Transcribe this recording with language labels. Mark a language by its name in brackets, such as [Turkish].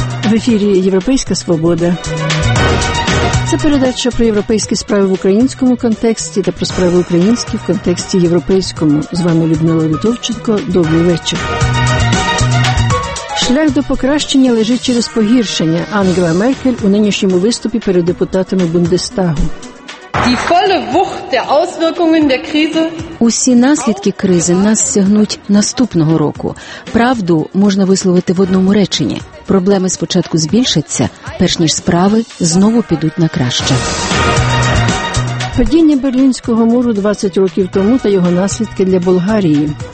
[Ukrainian] В ефірі «Європейська свобода». Це передача про європейські справи в українському контексті та про справи українські в контексті європейському. З вами Людмила Литовченко. Добрий вечір. Шлях до покращення лежить через погіршення. Ангела Меркель у нинішньому виступі перед депутатами Бундестагу. [German] Die volle Wucht der Auswirkungen der Krise. [Ukrainian] Усі наслідки кризи нас стягнуть наступного року. Правду можна висловити в одному реченні. Проблеми спочатку збільшаться, перш ніж справи знову підуть на краще. Падіння Берлінського муру 20 років тому та його наслідки для Болгарії.